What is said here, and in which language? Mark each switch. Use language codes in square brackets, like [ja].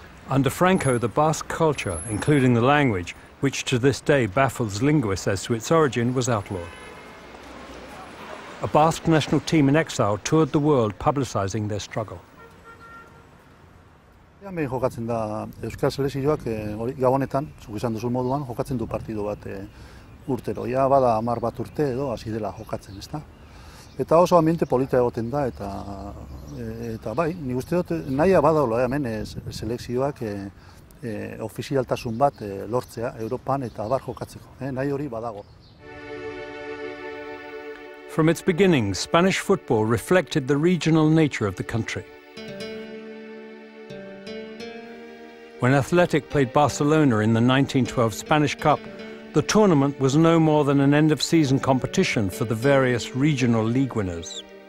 [en] Under Franco, the Basque culture, including the language, which to this day baffles linguists as to its origin, was outlawed. A Basque national team in exile toured the world publicizing their struggle. [eu] Ja, me jokatzen da euskal selezioak Gabonetan, zuk izan duzun moduan, jokatzen du partidu bat urtero. Ja, bada 11 urte edo hasi dela jokatzen, ezta? Eta oso ambiente polita egoten da eta bai, ni uste dut nahia badaola hemen selezioak ofizialtasun bat lortzea Europan eta abar jokatzeko, nahi hori badago. [en] From its beginnings, Spanish football reflected the regional nature of the country. When Athletic played Barcelona in the 1912 Spanish Cup, the tournament was no more than an end-of-season competition for the various regional league winners.